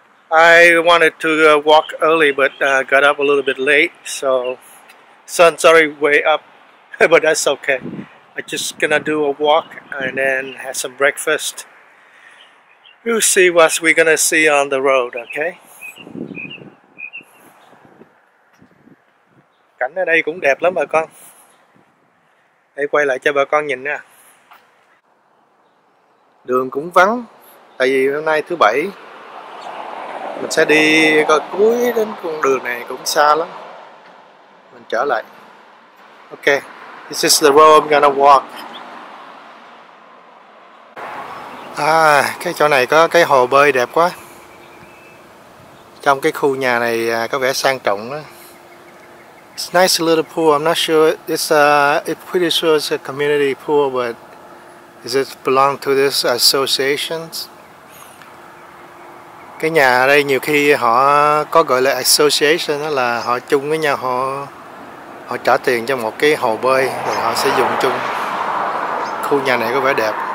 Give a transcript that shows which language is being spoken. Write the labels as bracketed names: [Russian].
[English] I wanted to walk early but got up a little bit late, so sun's already way up, but that's okay. I just gonna do a walk and then have some breakfast. We'll see what we're gonna see on the road, okay? [Vietnamese] Cảnh ở đây cũng đẹp lắm bà con. Để quay lại cho bà con nhìn nha. Đường cũng vắng, tại vì hôm nay thứ bảy. Mình sẽ đi coi cuối đến con đường này cũng xa lắm. Mình trở lại. [English] Okay, this is the road I'm gonna walk. [Vietnamese] À, cái chỗ này có cái hồ bơi đẹp quá. Trong cái khu nhà này có vẻ sang trọng đó. [English] It's nice little pool. I'm not sure. It's pretty sure it's a community pool, but is it belong to this associations? [Vietnamese] Cái nhà ở đây nhiều khi họ có gọi là association, đó là họ chung với nhau, họ trả tiền cho một cái hồ bơi rồi họ sẽ dùng chung. Khu nhà này có vẻ đẹp.